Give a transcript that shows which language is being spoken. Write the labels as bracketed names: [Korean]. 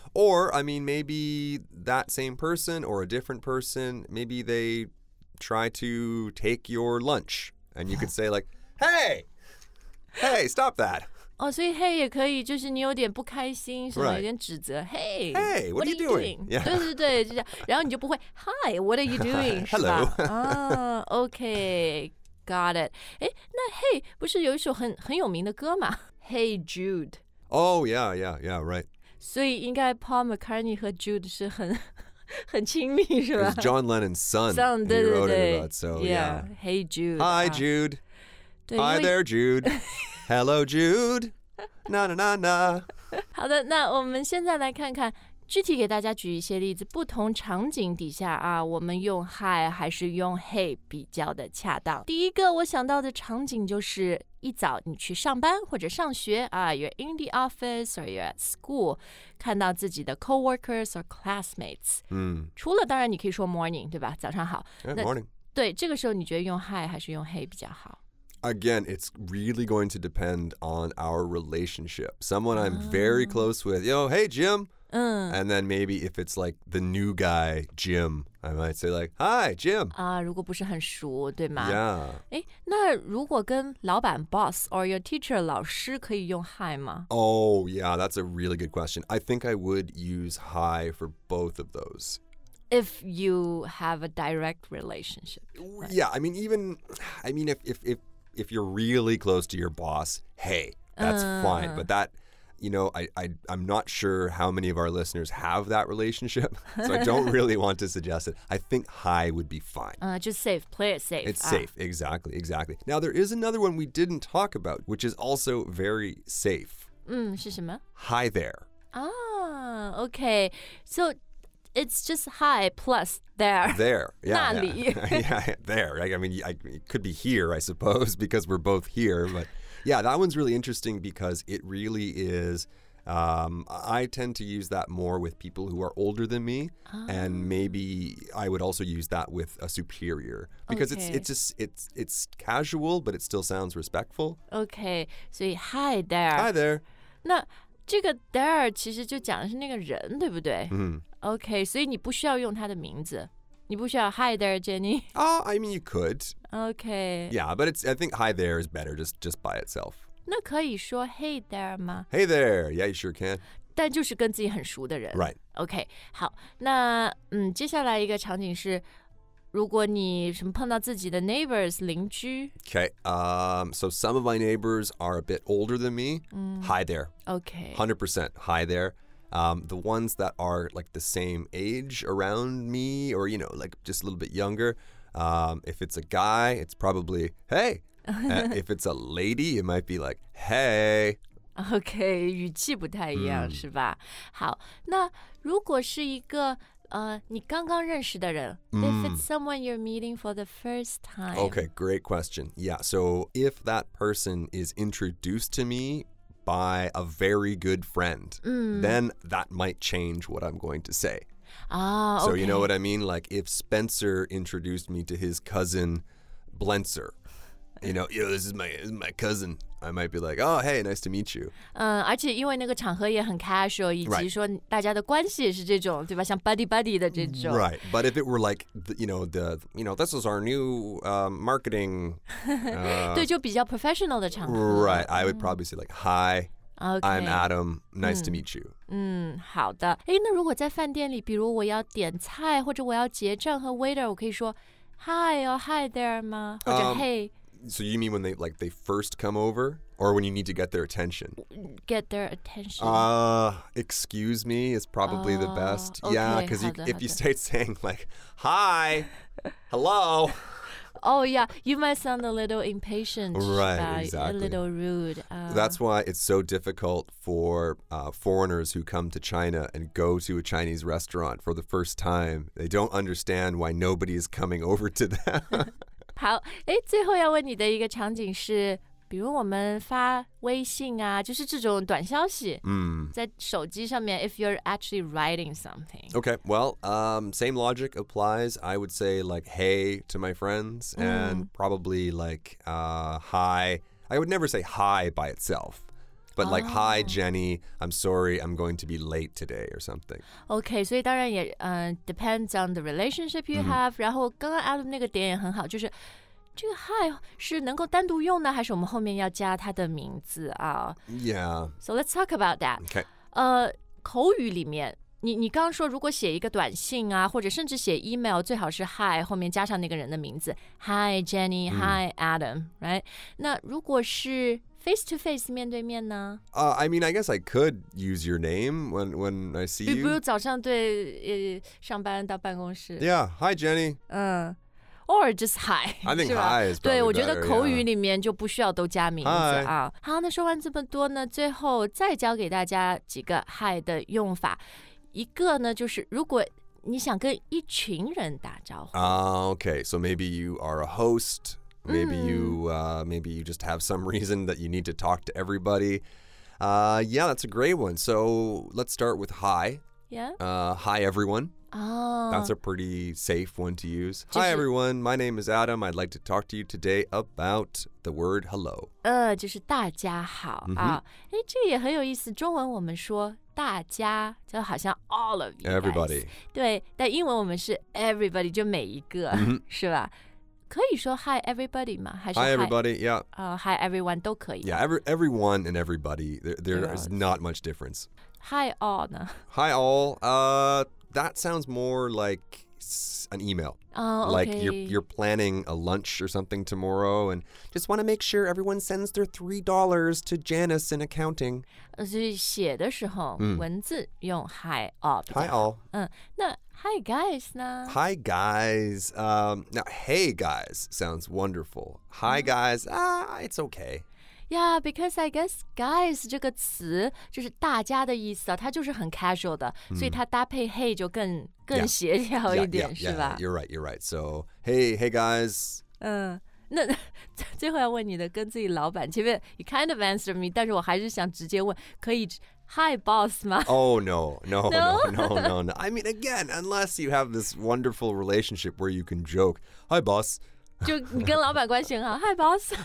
[English] Or, I mean, maybe that same person or a different person, maybe they try to take your lunch. And you could say like, hey, stop that. Oh, so [Chinese] hey 也可以，就是你有点不开心，什么有点指责。 [English] Hey, what are you doing? Yeah. [Chinese] 对对对，就这样。然后你就不会 [English] hi, what are you doing? Hello. okay, got it. [Chinese] 那 hey 不是有一首很有名的歌吗？ [English] Hey Jude. Oh, yeah, right. [Chinese] 所以应该 Paul McCartney 和 Jude 是很亲密是吧 [English] It's John Lennon's son. Son, he [Chinese] 对对对 [English] wrote it about, so, yeah. Hey, Jude. Hi, Jude. Hi there, Jude. Hello, Jude. Na, na, na, na. [Chinese] 好的，那我们现在来看看具体给大家举一些例子，不同场景底下啊，我们用 hi 还是用 hey 比较的恰当。第一个我想到的场景就是一早你去上班或者上学啊 ， [English] you're in the office or you're at school， [Chinese] 看到自己的 [English] coworkers or classmates。 [Chinese] 除了当然你可以说 morning， 对吧？早上好。 [English] Yeah, morning。 [Chinese] 对，这个时候你觉得用 hi 还是用 hey 比较好？ [English] Again, it's really going to depend on our relationship. Someone I'm very close with, yo, hey, Jim. And then maybe if it's like the new guy, Jim, I might say like, hi, Jim. [Chinese] 如果不是很熟，对吗？ [English] Yeah. [Chinese] 那如果跟老板 [English] boss or your teacher [Chinese] 老师可以用 hi 吗？ [English] Oh, yeah, that's a really good question. I think I would use hi for both of those. If you have a direct relationship.、Right? Yeah, I mean, even, I mean, if you're really close to your boss, hey, that's fine. But that, you know, I'm not sure how many of our listeners have that relationship. So I don't really want to suggest it. I think hi would be fine. Just safe. Play it safe. It's safe. Exactly. Now, there is another one we didn't talk about, which is also very safe. [Chinese] 是什么? [English] Hi there. Okay. So... It's just hi plus there. There, yeah. [Chinese] 那里 [English] Yeah, there. I mean, it could be here, I suppose, because we're both here. But yeah, that one's really interesting because it really is. I tend to use that more with people who are older than me. And maybe I would also use that with a superior. Because it's casual, but it still sounds respectful. Okay, so hi there. Hi there. [Chinese] 那这个 there 其实就讲的是那个人，对不对？ OK, 所以你不需要用他的名字。你不需要 [English] Hi there, Jenny. I mean, you could. OK. Yeah, but I think hi there is better just by itself. [Chinese] 那可以说 hey there 吗? [English] Hey there. Yeah, you sure can. [Chinese] 但就是跟自己很熟的人。 [English] Right. [Chinese] OK, 好。那接下来一个场景是如果你什么碰到自己的 neighbors, 邻居。 [English] OK, so some of my neighbors are a bit older than me. Hi there. OK. 100% hi there. The ones that are like the same age around me or, you know, like just a little bit younger. If it's a guy, it's probably, hey. If it's a lady, it might be like, hey. [Chinese] Okay, 语气不太一样是吧？好，那如果是一个你刚刚认识的人 [English] if it's someone you're meeting for the first time. Okay, great question. Yeah, so if that person is introduced to me,by a very good friend, then that might change what I'm going to say. So you know what I mean? Like if Spencer introduced me to his cousin, Blencer, you know, yo, this is my cousin. I might be like, oh, hey, nice to meet you. [Chinese] 而且因为那个场合也很 casual, 以及说大家的关系也是这种，对吧？像 buddy buddy 的这种。 [English] Right, but if it were like, this is our new marketing. [Chinese] 对，就比较 professional 的场合。 [English] Right, I would probably say like, hi,、 okay. I'm Adam, nice to meet you. [Chinese] 好的。那如果在饭店里，比如我要点菜或者我要结账和 waiter, 我可以说 hi, or hi there 吗？或者 hey. [English] So you mean when they first come over or when you need to get their attention? Get their attention. Excuse me is probably the best. Okay, yeah, because if you start saying like, hi, hello. Oh, yeah. You might sound a little impatient. Right, exactly. A little rude. That's why it's so difficult for foreigners who come to China and go to a Chinese restaurant for the first time. They don't understand why nobody is coming over to them. [Chinese] 好，诶，最后要问你的一个场景是，比如我们发微信啊，就是这种短消息，在手机上面 ， [English] if you're actually writing something. Okay, well, same logic applies. I would say like hey to my friends, and probably like hi. I would never say hi by itself, but like hi Jenny, I'm sorry, I'm going to be late today or something. Okay, [Chinese] 所以当然也 [English] depends on the relationship you have. [Chinese] 然后刚刚 Adam 那个点也很好，就是。这个 hi 是能够单独用呢，还是我们后面要加它的名字啊 [English] ？Yeah. So let's talk about that. Okay. [Chinese] 口语里面，你刚刚说，如果写一个短信啊，或者甚至写 email， 最好是 hi 后面加上那个人的名字。 [English] Hi Jenny. Hi Adam. Right. [Chinese] 那如果是 [English] face to face [Chinese] 面对面呢 [English] ？I mean, I guess I could use your name when I see you. [Chinese] 比如早上对上班到办公室。 [English] Yeah. Hi Jenny. Or just hi. I think hi is better. [Chinese] 对，我觉得口语里面就不需要都加名字啊。好，那说完这么多呢，最后再教给大家几个 hi 的用法。一个呢，就是如果你想跟一群人打招呼。 [English] Okay, so maybe you are a host. Maybe you just have some reason that you need to talk to everybody. Yeah, that's a great one. So let's start with hi. Yeah. Hi, everyone. Oh, that's a pretty safe one to use. Hi, everyone. My name is Adam. I'd like to talk to you today about the word hello. [Chinese] 就是大家好啊。哎，这也很有意思。中文我们说大家，就好像 [English] all of you guys. Everybody. [Chinese] 对，但英文我们是 everybody， 就每一个，是吧？可以说 hi everybody 吗？还是 [English] hi everybody？ Yeah. [Chinese] Hi everyone 都可以。 [English] Yeah, everyone and everybody. There is not much difference. Hi all 呢？Hi all. That sounds more like an email. Oh, okay. Like you're planning a lunch or something tomorrow and just want to make sure everyone sends their $3 to Janice in accounting. [Chinese] 所以写的时候文字用 hi all. [English] Hi all. [Chinese] 那 hi guys 呢 [English] ？Hi guys. Now hey guys sounds wonderful. Hi guys. It's okay. [Chinese] Yeah, because I guess guys 这个词就是大家的意思啊，它就是很 casual 的，所以它搭配 hey 就更协调一点，是吧？ [English] You're right. So, hey guys. [Chinese] 那最后要问你的，跟自己老板，前面 [English] you kind of answered me， [Chinese] 但是我还是想直接问，可以 hi boss 吗？ [English] Oh, no. I mean, again, unless you have this wonderful relationship where you can joke, hi boss. [Chinese] 就你跟老板关系很好 ， [English] Hi boss.